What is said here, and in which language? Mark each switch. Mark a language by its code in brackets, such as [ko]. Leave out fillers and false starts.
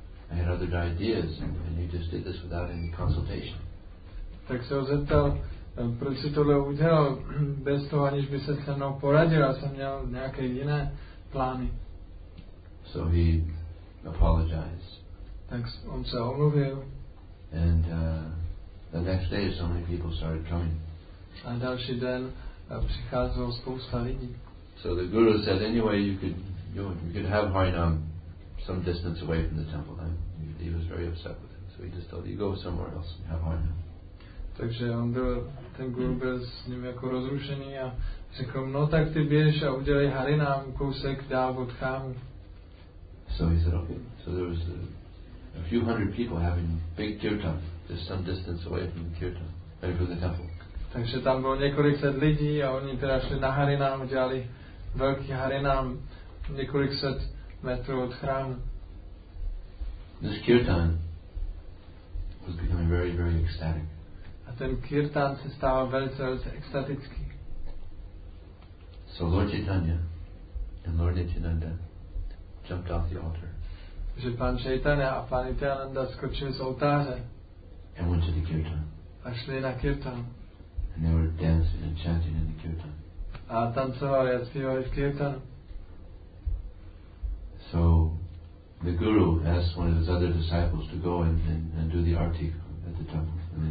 [en] I had other ideas and you just did this without any consultation. [cs] Tak se ho zeptal, proč si tohle udělal bez toho, aniž by se se mnou poradil, a jsem měl nějaké jiné plány. [en] So he apologized. [cs] Tak on se omluvil. [en] And the next day so many people started coming. [cs] A další den přicházelo spousta lidí. [en] So the guru said, anyway, you could have Harinam some distance away from the temple. And he was very upset with him. So he just told him, you go somewhere else and have Harinam. [cs] Takže on byl, ten guru byl s ním jako rozrušený a řekl, no tak ty běž a udělej Harinam kousek dál od chámu. [en] So he said, okay. So there was a few hundred people having big kirtan, just some distance away from the kirtan, maybe from the temple. [cs] Takže tam bylo několik set lidí a oni teda šli na Harinam, dělali velký Harinam několik set metrů od chrámu. [en] This kirtan was becoming very, very ecstatic. [cs] A ten kirtan se stával velice, velice extatický. [en] So Lord Chaitanya and Lord Nityananda jumped off the altar. [cs] že pán Chaitanya a pán Nityananda skočili z oltáře [en] and went to the kirtan. [cs] A šli na kirtan. [en] And they were dancing and chanting in the kirtan. [cs] A tancovali a zpívali v kirtanu. [en] So the guru asked one of his other disciples to go and do the arti at the temple.